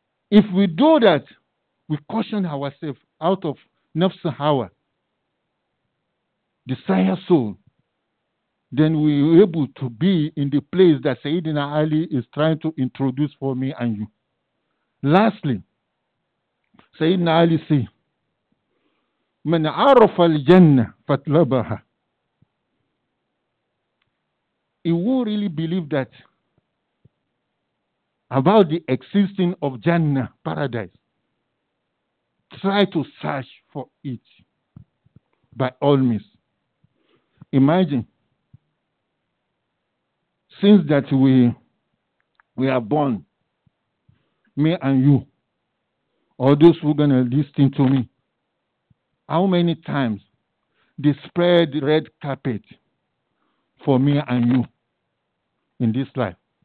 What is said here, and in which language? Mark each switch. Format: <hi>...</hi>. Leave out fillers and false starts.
<en>If we do that, we caution ourselves out of nafs hawa, desire soul, then we are able to be in the place that Sayyidina Ali is trying to introduce for me and you. Lastly, Sayyidina Ali say,</en> <ar>من عرف الجنة فطلبها.</ar> <en>He won't really believe that about the existing of Jannah, paradise. try to search for it by all means. Imagine, since that we are born, me and you, all those who are going to listen to me, how many times they spread red carpet for me and you in this life?</en>